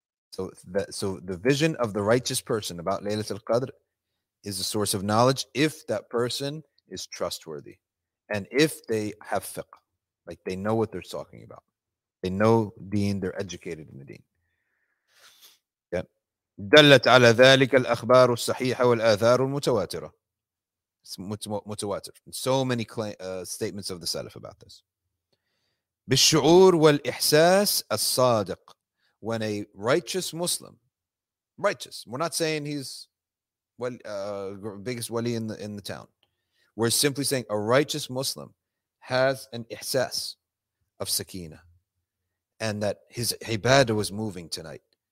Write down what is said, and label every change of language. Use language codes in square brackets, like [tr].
[en] So the vision of the righteous person about Laylatul Qadr is a source of knowledge if that person is trustworthy and if they have fiqh, like they know what they're talking about. They know deen, they're educated in the deen. [ar] دلت على ذلك الأخبار الصحيحة والآثار المتواترة. متواتر. [en] So many statements of the Salaf about this. [ar] بالشعور والإحساس الصادق. [en] When a righteous Muslim, righteous, we're not saying he's biggest wali in the town. We're simply saying a righteous Muslim has an إحساس of Sakina, and that his ibadah was moving tonight.